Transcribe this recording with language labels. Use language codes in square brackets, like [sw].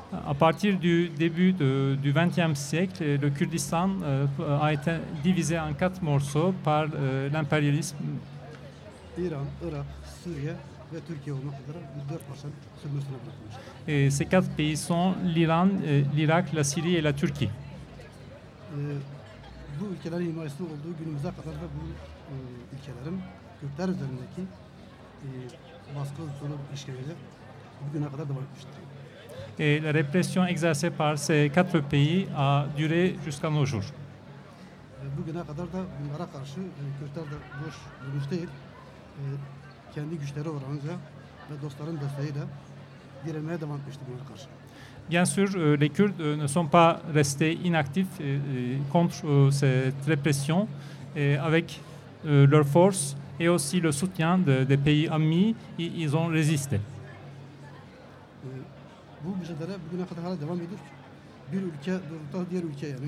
[fr] À partir du début du XXe siècle, le Kurdistan a été divisé en quatre morceaux par l'impérialisme. [tr] İran, Irak, Suriye ve Türkiye olmak üzere dört parçanın sömürüsüne bırakılmıştı. [fr] Ces quatre pays sont l'Iran, l'Irak, la Syrie et la Turquie. [tr] Bu ülkelerin himayesi olduğu günümüze kadar da bu ülkelerin Kürtler üzerindeki baskı zorunlu işgaleleri bugüne kadar devam etmiştir. [fr] Et la répression exercée par ces quatre pays a duré jusqu'à nos jours. [tr] Bugüne kadar da bunlara karşı Kürtler de boş durmuş değil. Kendi güçleri oranca ve dostların desteğiyle direnmeye devam etmiştir bunlara karşı. [fr] Bien sûr, les Kurdes ne sont pas restés inactifs contre cette répression. Et avec leur force et aussi le soutien des pays amis, ils ont résisté. [tr] Bu mücadele bugüne kadar hala devam ediyor. Bir ülke doğrultuda diğer ülke yani.